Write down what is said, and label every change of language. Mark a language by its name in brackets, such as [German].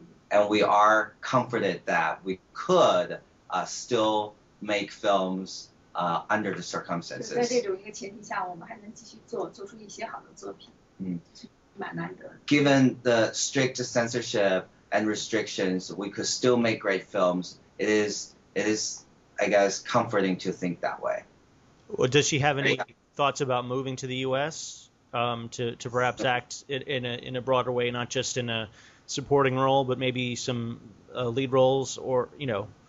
[English] And we are comforted that we could still make films under the circumstances. [Chinese] 在这种一个前提下，我们还能继续做出一些好的作品，蛮难得。 [English] Given the strict censorship and restrictions, we could still make great films. It is, I guess, comforting to think that way. Well, does she have any thoughts about moving to the U.S. To perhaps act in a broader way, not just in a supporting role, but maybe some lead roles, or you know.